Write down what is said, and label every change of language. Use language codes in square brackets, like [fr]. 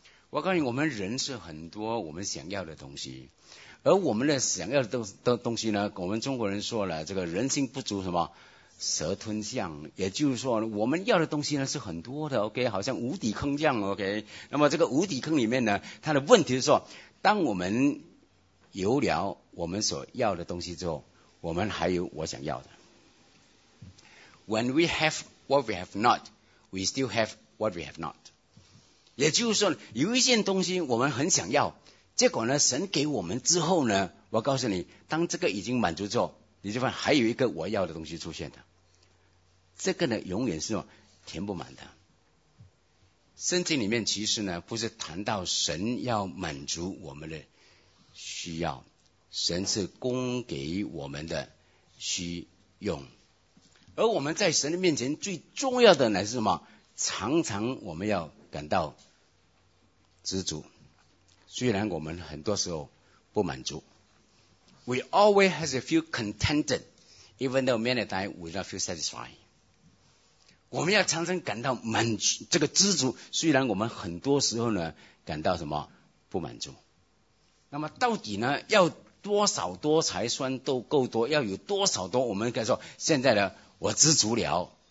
[zh] 我告诉你，我们人是很多我们想要的东西，而我们的想要的东西呢，我们中国人说了这个人心不足什么蛇吞象，也就是说我们要的东西呢是很多的， OK， 好像无底坑这样， OK。那么这个无底坑里面呢，它的问题是说，当我们有了我们所要的东西之后，我们还有我想要的。 [en] When we have what we have not, we still have what we have not。 [zh] 也就是说有一件东西我们很想要，结果呢神给我们之后呢，我告诉你，当这个已经满足之后，你就发现还有一个我要的东西出现的，这个呢永远是填不满的。圣经里面其实呢不是谈到神要满足我们的需要，神是供给我们的需用。而我们在神的面前最重要的乃是什么？常常我们要感到知足，虽然我们很多时候不满足。 [en] We always have to feel contented even though many times we don't feel satisfied。 [zh] 我们要常常感到满足，这个知足，虽然我们很多时候呢感到什么不满足。那么到底呢要多少多才算都够多，要有多少多，我们可以说现在呢我知足了。